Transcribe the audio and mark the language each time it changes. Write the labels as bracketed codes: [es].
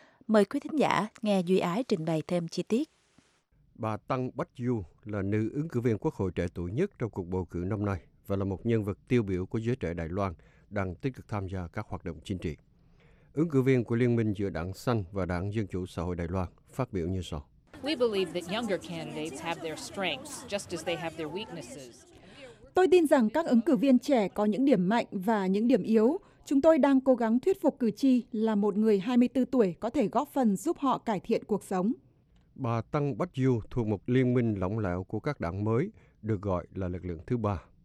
[vi] Mời quý thính giả nghe Duy Ái trình bày thêm chi tiết. Bà Tăng Bách Du là nữ ứng cử viên quốc hội trẻ tuổi nhất trong cuộc bầu cử năm nay và là một nhân vật tiêu biểu của giới trẻ Đài Loan đang tích cực tham gia các hoạt động chính trị. Ứng cử viên của Liên minh giữa Đảng Xanh và Đảng Dân Chủ Xã hội Đài Loan phát biểu như sau. [en] We believe that younger candidates have their strengths just as they have their weaknesses. [vi] Tôi tin rằng các ứng cử viên trẻ có những điểm mạnh và những điểm yếu. Chúng tôi đang cố gắng thuyết phục cử tri là một người 24 tuổi có thể góp phần giúp họ cải thiện cuộc sống. bà Tăng Bách Du thuộc một liên minh lỏng lẻo của các đảng mới, được gọi là lực lượng thứ ba.